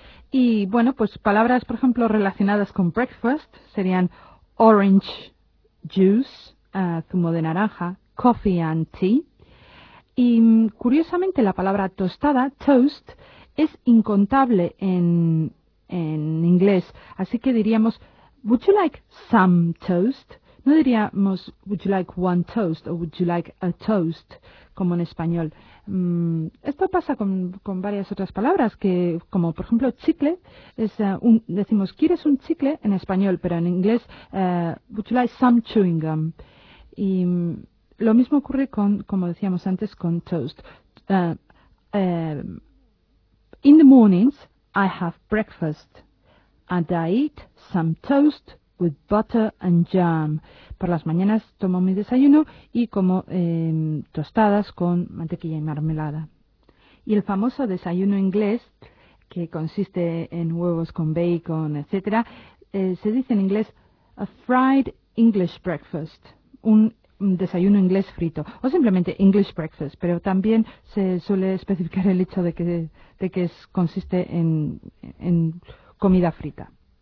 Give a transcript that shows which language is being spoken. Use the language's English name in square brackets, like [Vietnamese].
[Spanish] Y bueno, pues palabras, por ejemplo, relacionadas con breakfast serían [English] orange juice, [Spanish] zumo de naranja, [English] coffee and tea. [Spanish] Y curiosamente la palabra tostada, toast, es incontable en inglés. Así que diríamos, [English] would you like some toast? [Spanish] No diríamos, [English] would you like one toast o would you like a toast, [Spanish] como en español. Esto pasa con varias otras palabras, que como por ejemplo chicle, es decimos, ¿quieres un chicle? En español, pero en inglés, [English] would you like some chewing gum? [Spanish] Y lo mismo ocurre con, como decíamos antes, con toast. [English] In the mornings, I have breakfast and I eat some toast with butter and jam. [Spanish] Por las mañanas tomo mi desayuno y como tostadas con mantequilla y mermelada. Y el famoso desayuno inglés, que consiste en huevos con bacon, etcétera, se dice en inglés [English] a fried English breakfast, [Spanish] un desayuno inglés frito, o simplemente English breakfast, pero también se suele especificar el hecho de que consiste en comida frita.